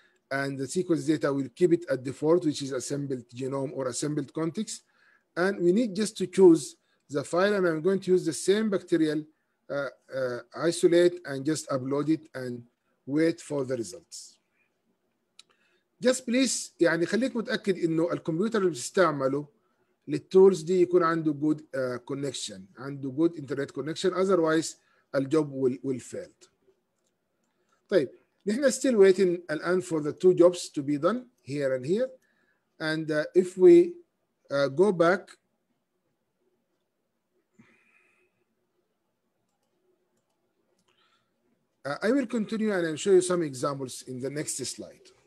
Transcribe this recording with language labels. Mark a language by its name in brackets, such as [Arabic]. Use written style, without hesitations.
[English] And the sequence data will keep it at default, which is assembled genome or assembled context. And we need just to choose the file. And I'm going to use the same bacterial isolate and just upload it and wait for the results. Just please, [Arabic] يعني خليك متأكد إنه الكمبيوتر اللي بتستعمله للتولز دي يكون عنده [English] good connection, [Arabic] عنده [English] good internet connection. Otherwise, the job will fail. [Arabic] طيب, نحن [English] still waiting [Arabic] الآن [English] for the two jobs to be done here and here. And if we go back, I will continue and I'll show you some examples in the next slide.